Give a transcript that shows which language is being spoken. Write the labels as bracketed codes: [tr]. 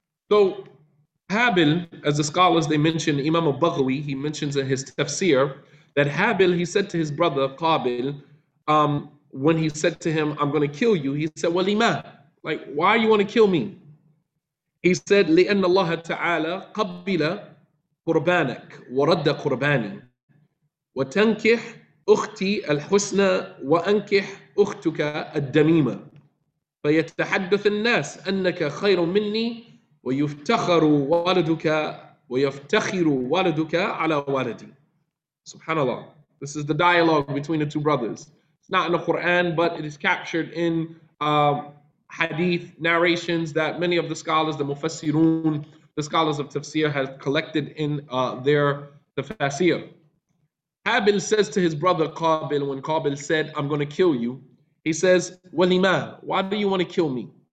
[en] So Habil, as the scholars, they mention Imam al-Baghawi, he mentions in his tafsir, that Habil, he said to his brother Qabil, when he said to him, I'm going to kill you, he said, walima, like, why you want to kill me? He said, [ar] لِأَنَّ اللَّهَ تَعَالَى قَبِّلَ قربانك ورد قرباني وتنكح أختي الحسنى وأنكح أختك الدميمة فيتحدث الناس أنك خير مني ويفتخر ولدك ويفتخر ولدك على ولدي. سبحان الله. [en] This is the dialogue between the two brothers. It's not in the Quran, but it is captured in hadith narrations that many of the scholars, the mufassirun, the scholars of tafsir have collected in their tafsir. Habil says to his brother Qabil, when Qabil said, I'm going to kill you, he says, walima, why do you want to kill me?